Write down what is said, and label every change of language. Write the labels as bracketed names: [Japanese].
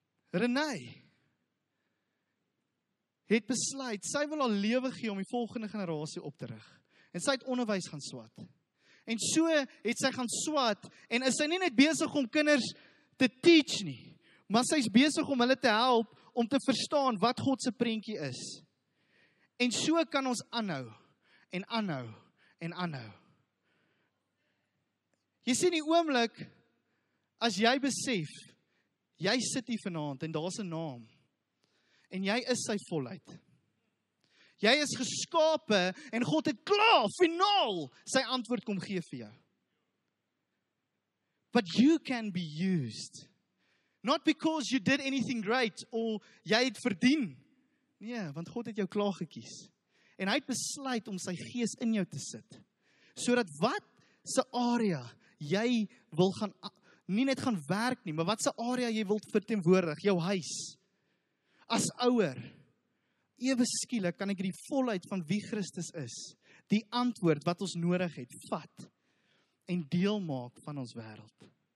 [Afrikaans] Renee het besluit, sy wil al lewe gee om die volgende generasie op te rig. En sy het onderwys gaan swat. En so het sy gaan swat, en is sy nie net besig om kinders te teach nie, maar sy is besig om hulle te help, om te verstaan wat Godse prentjie is. En so kan ons aanhou, en aanhou, en aanhou. Jy sien die oomblik, as jy besef, jy sit hier vanavond, en daar is 'n naam, en jy is sy volheid. Jy is geskape en God het klaar, finaal, sy antwoord kom gee vir jou. [English] But you can be used. Not because you did anything great, or [Afrikaans] jy het verdien. Nee, want God het jou klaar gekies. En hy het besluit om sy gees in jou te sit. Sodat wat sy area jy wil gaan, nie net gaan werk nie, maar wat sy area jy wil verteenwoordig, jou huis, as ouer, ewe skielik kan ek die volheid van wie Christus is, die antwoord wat ons nodig het, vat en deel maak van ons wêreld.